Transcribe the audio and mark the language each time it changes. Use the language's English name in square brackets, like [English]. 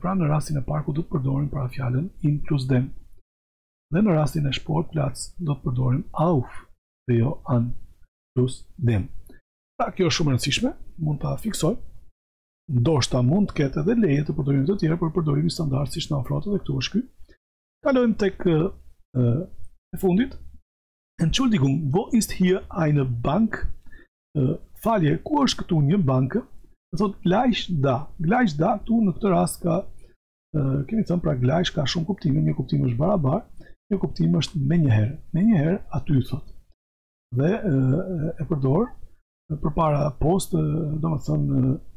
[Albanian] Pra në rastin e parkut do të përdorim parafjalën in plus dem. Dhe në rastin e Sportplatz do të përdorim auf dhe jo an plus dem. Pra kjo është shumë rëndësishme, mund ta fiksoj. Ndoshta mund të ketë edhe leje të përdorimit të tjera, por përdorimi standard siç na ofrohet edhe këtu është ky. Kalojmë tek e fundit. [German] Entschuldigung, wo ist hier eine Bank? [Albanian] Falje, ku është këtu një bankë? Thot [German] gleich da. [Albanian] Gleich da tu në këtë rast ka kemi thënë pra gleich ka shumë kuptime, një kuptim është barabar, një kuptim është me njëherë aty thot. Dhe e përdor përpara post, domethënë